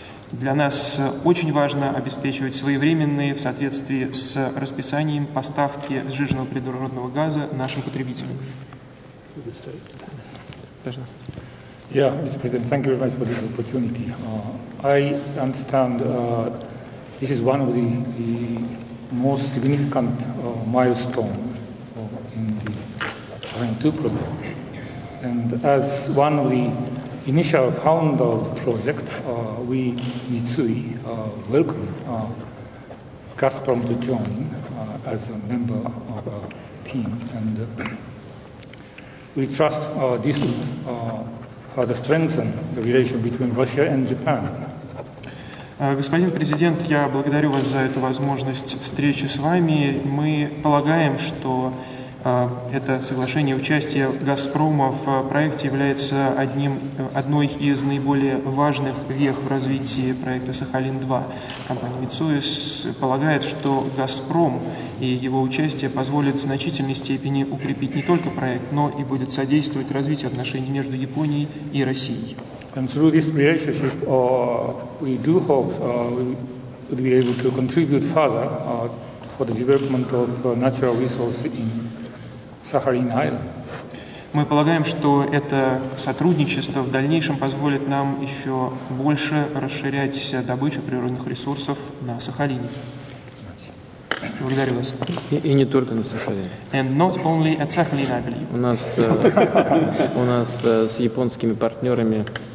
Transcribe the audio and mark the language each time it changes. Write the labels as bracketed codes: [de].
[ru] Для нас очень важно обеспечивать своевременные в соответствии с расписанием поставки сжиженного природного газа нашим потребителям. Пожалуйста. [en] Yeah, Mr. President, thank you very much for this opportunity. I understand this is one of the most significant milestones in the Sakhalin 2 project. And as one of the initial founders of the project, we, Mitsui, welcome Gazprom to join as a member of our team. And we trust this would further strengthen the relation between Russia and Japan. [ru] Господин президент, я благодарю вас за эту возможность встречи с вами. Мы полагаем, что Это соглашение участия Газпрома в проекте является одной из наиболее важных вех в развитии проекта «Сахалин-2». Компания «Mitsuis» полагает, что «Газпром» и его участие позволит в значительной степени укрепить не только проект, но и будет содействовать развитию отношений между Японией и Россией. [en] And through this relationship, we do hope to be able to contribute further for the development of natural resources in Sakhalin Island. [ru] Мы полагаем, что это сотрудничество в дальнейшем позволит нам еще больше расширять добычу природных ресурсов на Сахалине. Благодарю вас. И не только на Сахалине. [en] And not only at Sakhalin, I believe. [ru] У нас с японскими партнерами.